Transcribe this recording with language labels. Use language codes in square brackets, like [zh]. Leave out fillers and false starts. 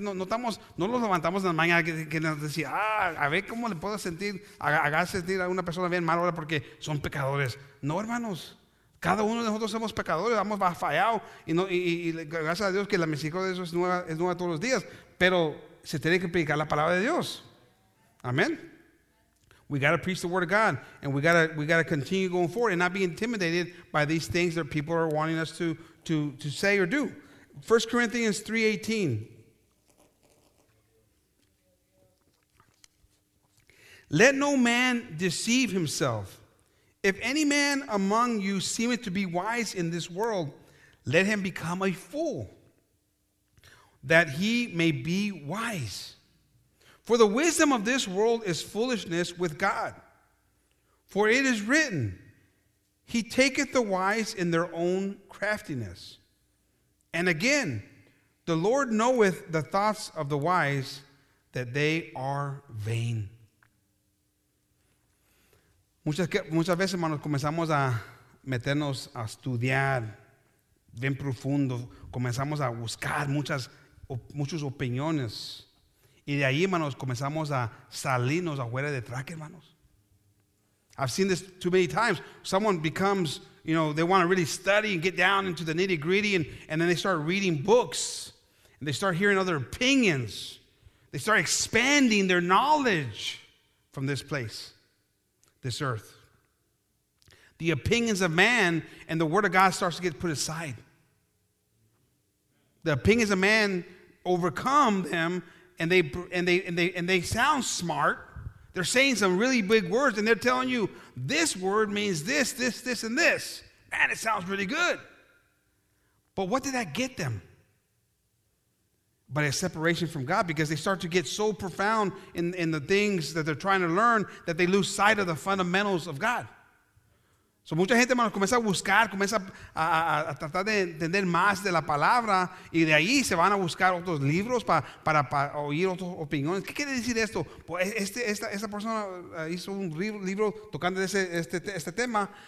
[es] No los levantamos en la mañana que nos decía, a ver cómo le puedo sentir, hagas sentir a una persona bien mal ahora porque son pecadores. No, hermanos. Cada uno de nosotros somos pecadores, hemos fallado. Y gracias a Dios que la misericordia de Dios es nueva todos los días. Pero se tiene que predicar la palabra de Dios. Amén. [en] We got to preach the word of God, and we got to continue going forward and not be intimidated by these things that people are wanting us to say or do. 1 Corinthians 3:18. Let no man deceive himself. If any man among you seemeth to be wise in this world, let him become a fool, that he may be wise. For the wisdom of this world is foolishness with God. For it is written, he taketh the wise in their own craftiness. And again, the Lord knoweth the thoughts of the wise, that they are vain. [es] Muchas veces, hermanos, comenzamos a meternos a estudiar bien profundo. Comenzamos a buscar muchas opiniones. Y de ahí, hermanos, comenzamos a salirnos afuera de track, hermanos. [en] I've seen this too many times. Someone becomes, you know, they want to really study and get down into the nitty-gritty, and then they start reading books, and they start hearing other opinions. They start expanding their knowledge from this place, this earth. The opinions of man and the word of God starts to get put aside. The opinions of man overcome them, and they sound smart. They're saying some really big words, and they're telling you, this word means this, this, this, and this. Man, it sounds really good. But what did that get them? But a separation from God, because they start to get so profound in the things that they're trying to learn that they lose sight of the fundamentals of God. [es] So mucha gente, hermanos, comienza a buscar, comienza a tratar de entender más de la palabra, y de ahí se van a buscar otros libros para oír otras opiniones. ¿Qué quiere decir esto? Pues esta persona hizo un libro tocando este tema.